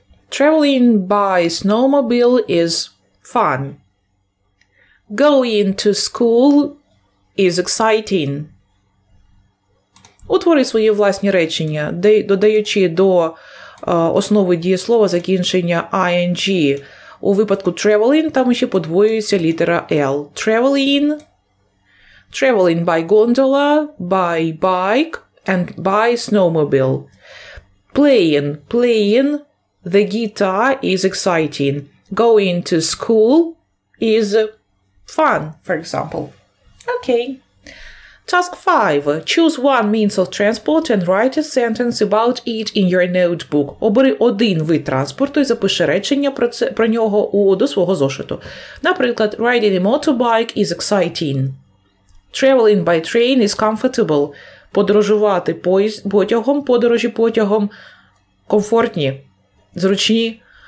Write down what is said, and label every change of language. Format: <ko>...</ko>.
<en>Traveling by snowmobile is fun. Going to school is exciting.</en> <uk>Утвори свої власні речення, додаючи до основи дієслова закінчення ing. У випадку traveling там ще подвоюється літера L.</uk> <en>Traveling, traveling by gondola, by bike, and by snowmobile. Playing, playing the guitar is exciting. Going to school is fun, for example. Okay. Task 5. Choose one means of transport and write a sentence about it in your notebook.</en> <uk>Обери один вид транспорту і запиши речення про це, про нього до свого зошиту.</uk> <en>Наприклад, riding a motorbike is exciting. Traveling by train is comfortable.</en> <uk>Подорожувати потягом, подорожі потягом комфортні, зручні.</uk>